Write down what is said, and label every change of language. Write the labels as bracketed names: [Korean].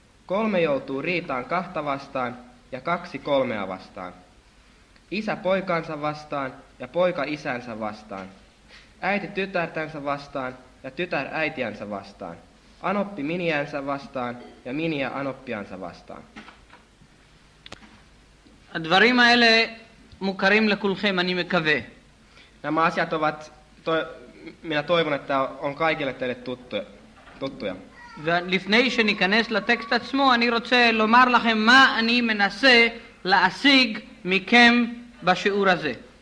[Finnish] Kolme joutuu riitaan kahta vastaan, ja kaksi kolmea vastaan. Isä poikansa vastaan, ja poika isänsä vastaan. Äiti tytärtänsä vastaan, ja tytär äitiänsä vastaan. Anoppi miniänsä vastaan, ja miniä anoppiansa vastaan. [Hebrew] הדברים האלה מוכרים לכולכם, אני מקווה. [Finnish] Nämä asiat ovat, minä toivon, että on kaikille teille tuttuja. [Hebrew] ולפני שניכנס לטקסט עצמו, אני רוצה לומר לכם מה אני מנסה להשיג מכם בשיעור הזה.